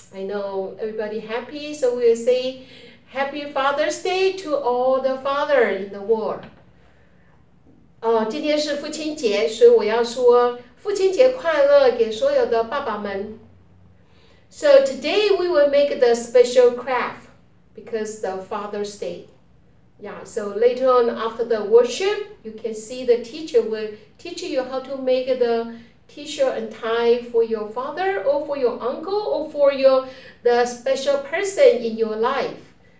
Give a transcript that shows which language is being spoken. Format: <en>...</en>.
<en>I know everybody happy, so we will say Happy Father's Day to all the fathers in the world.</en> <zh>今天是父亲节，所以我要说父亲节快乐给所有的爸爸们。</zh> <en>So today we will make the special craft because the Father's Day. Yeah, so later on after the worship, you can see the teacher will teach you how to make the t-shirt and tie for your father or for your uncle or for the special person in your life.</en>